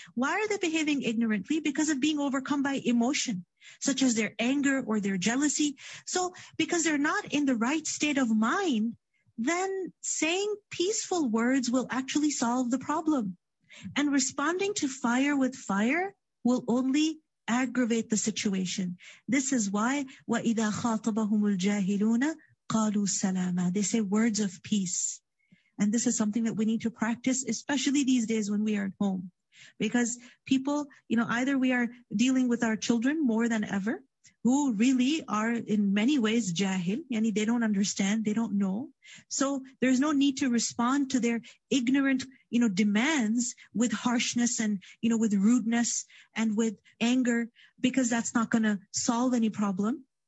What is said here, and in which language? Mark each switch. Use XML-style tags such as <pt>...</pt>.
<en>Why are they behaving ignorantly? Because of being overcome by emotion, such as their anger or their jealousy. So because they're not in the right state of mind, then saying peaceful words will actually solve the problem. And responding to fire with fire will only aggravate the situation. This is why,</en> <ar>وَإِذَا خَاطَبَهُمُ الْجَاهِلُونَ قَالُوا سَلَامًا.</ar> <en>They say words of peace. And this is something that we need to practice, especially these days when we are at home. Because people, you know, either we are dealing with our children more than ever, who really are in many ways jahil, yani they don't understand, they don't know. So there's no need to respond to their ignorant, you know, demands with harshness and, you know, with rudeness and with anger, because that's not going to solve any problem.</en>